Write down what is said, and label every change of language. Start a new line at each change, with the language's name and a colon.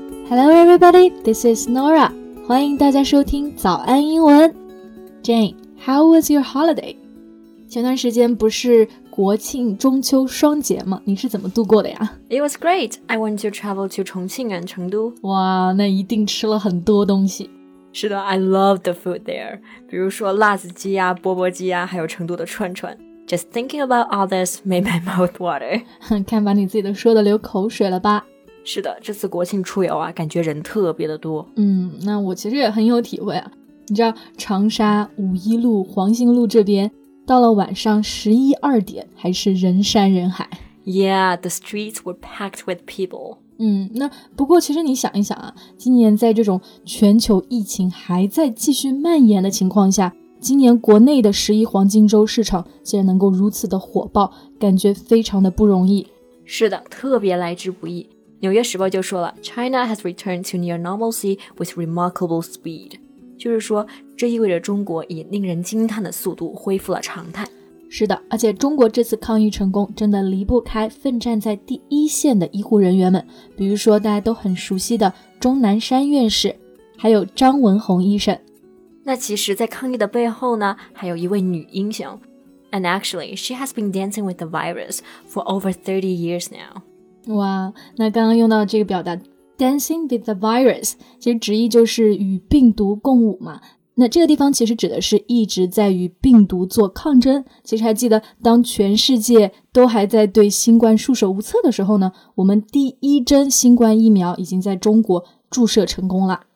English: Hello everybody, this is Nora.
Chinese: 欢迎大家收听早安英文。
English: Jane, how was your holiday?
Chinese: 前段时间不是国庆中秋双节吗？你是怎么度过的呀？
English: It was great. I went to travel to Chongqing and Chengdu.
Chinese: 哇，那一定吃了很多东西。是的，
English: I love the food there.
Chinese: 比如说辣子鸡啊，钵钵鸡啊，还有成都的串串。
English: Just thinking about all this made my mouth water.
Chinese: 看把你自己都说的流口水了吧。是的，这次国庆出游啊，感觉人特别的多。那我其实也很有体会啊。你知道长沙、五一路、黄兴路这边到了晚上十一二点还是人山人海。 Yeah, the streets were packed with people. 那不过其实你想一想啊，今年在这种全球疫情还在继续蔓延的情况下，今年国内的十一黄金周市场竟然能够如此的火爆，感觉非常的不容易。是的，特别来之不易。纽约时报就说了，
English: China has returned to near normalcy with remarkable speed.
Chinese: 就是说，这意味着中国以令人惊叹的速度恢复了常态。是的，而且中国这次抗疫成功真的离不开奋战在第一线的医护人员们，比如说大家都很熟悉的钟南山院士，还有张文宏医生。那其实在抗疫的背后呢，还有一位女英雄。
English: And actually, she has been dancing with the virus for over 30 years now.
Chinese: 哇，那刚刚用到这个表达
English: dancing with the virus,
Chinese: 其实直译就是与病毒共舞嘛。那这个地方其实指的是一直在与病毒做抗争。其实还记得当全世界都还在对新冠束手无策的时候呢，我们第一针新冠疫苗已经在中国注射成功了。